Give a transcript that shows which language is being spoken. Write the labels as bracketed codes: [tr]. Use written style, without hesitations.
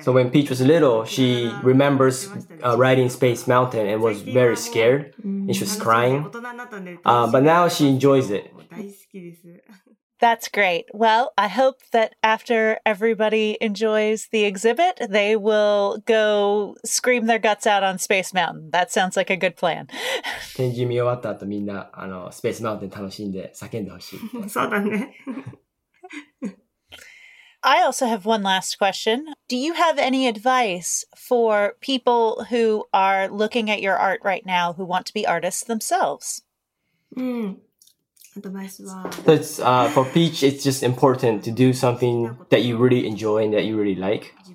[en] So when Peach was little, she remembers riding Space Mountain and was very scared. And she was crying. But now she enjoys it. [ja] 大好きです。 [en] That's great. Well, I hope that after everybody enjoys the exhibit, they will go scream their guts out on Space Mountain. That sounds like a good plan. [ja] 展示見終わった後、みんな、あの、スペースマウンテン楽しんで叫んでほしい。そうだね。 [en] I also have one last question. Do you have any advice for people who are looking at your art right now who want to be artists themselves? So it's, for Peach, it's just important to do something that you really enjoy and that you really like.